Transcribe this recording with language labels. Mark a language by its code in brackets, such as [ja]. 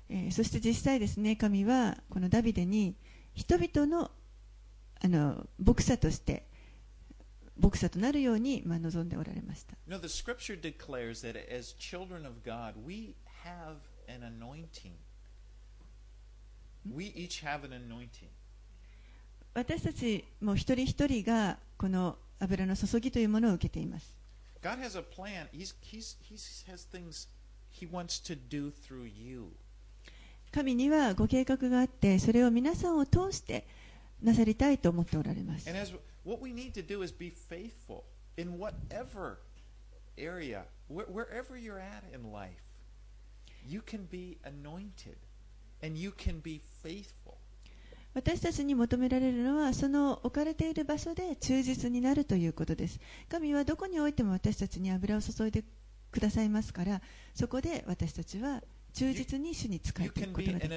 [ja] そして実際ですね、神はこのダビデに人々の、牧者として牧者となるように、望んでおられました。 [en] No, the scripture declares that as children of God, we have an anointing. We each have an anointing. [ja] 私たちも一人一人がこの油の注ぎというものを受けています。 [en] God has a plan. He has things he wants to do through you. [ja] 神にはご計画があって、それを皆さんを通してなさりたいと思っておられます。 [en] What we need to do is be faithful in whatever area, wherever you're at in life, you can be anointed and you can be faithful. [ja] 私たちに求められるのは、その置かれている場所で忠実になるということです。神はどこにおいても私たちに油を注いでくださいますから、そこで私たちは忠実に主に仕えていくことができます。